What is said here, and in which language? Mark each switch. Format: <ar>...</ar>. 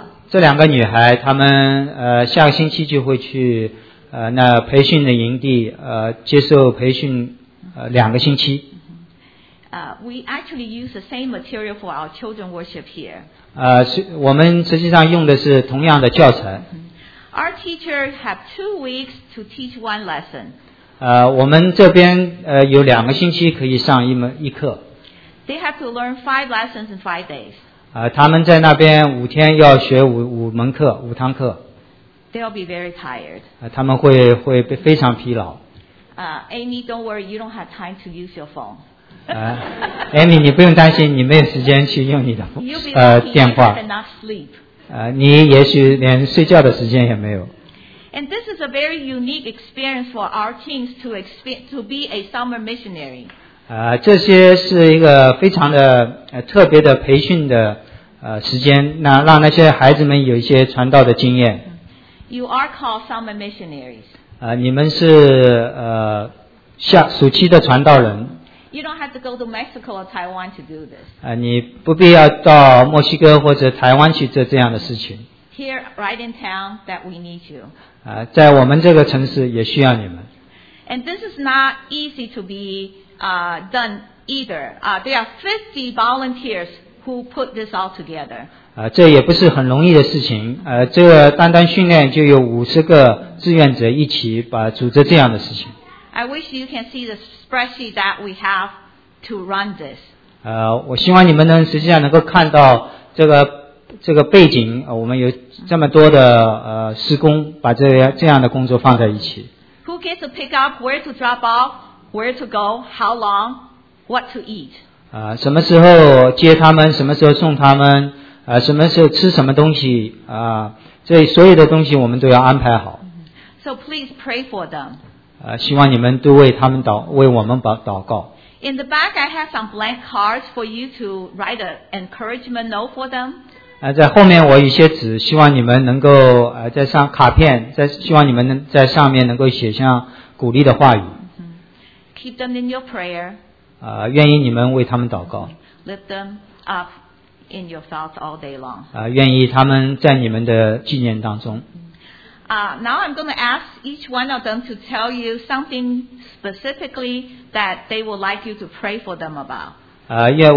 <zh>这两个女孩，她们下个星期就会去那培训的营地接受培训两个星期。</zh> <en>We actually use the same material for our children worship here.</en> <zh>我们实际上用的是同样的教材。</zh> <en>Our teacher have 2 weeks to teach one lesson.</en> <zh>我们这边有两个星期可以上一课。</zh> <en>They have to learn 5 lessons in 5 days.</en> <zh>他们在那边五天要学五堂课。</zh> <en>They'll be very tired.</en> <zh>他们会非常疲劳。</zh> <en>Amy, don't worry, you don't have time to use your phone.</en> <zh>Amy, 你不用担心，你没有时间去用你的电话。</zh> <en>You'll be lucky if you have enough sleep.</en> <zh>你也许连睡觉的时间也没有。</zh> <en>And this is a very unique experience for our teens to be a summer missionary.</en> <zh>这些是一个非常的特别的培训的时间，那让那些孩子们有一些传道的经验。</zh> <en>You are called summer missionaries.</en> <zh>你们是夏暑期的传道人。</zh> <en>You don't have to go to Mexico or Taiwan to do this.</en> <zh>你不必要到墨西哥或者台湾去做这样的事情。</zh> <en>Here, right in town, that we need you.</en> <zh>在我们这个城市也需要你们。</zh> <en>And this is not easy to be done either. There are 50 volunteers who put this all together.</en> <zh>这也不是很容易的事情。这个单单训练就有50个志愿者一起把组织这样的事情。</zh> <en>I wish you can see the spreadsheet that we have to run this.</en> <zh>我希望你们能实际上能够看到这个背景，我们有这么多的施工，把这样的工作放在一起。</zh> <en>Who gets to pick up, where to drop off, where to go, how long, what to eat?</en> <zh>什么时候接他们，什么时候送他们，什么时候吃什么东西，这所有的东西我们都要安排好。</zh> <en>So please pray for them.</en> <zh>希望你们都为他们为我们祷告。</zh> <en>In the back, I have some blank cards for you to write an encouragement note for them.</en> <zh>在后面我有一些纸，希望你们能够在上卡片，在希望你们能在上面能够写下鼓励的话语。</zh> <en>Keep them in your prayer.</en> <zh>愿意你们为他们祷告。</zh> <en>Lift them up in your thoughts all day long.</en> <zh>愿意他们在你们的纪念当中。</zh> <en>Now I'm going to ask each one of them to tell you something specifically that they would like you to pray for them about.</en>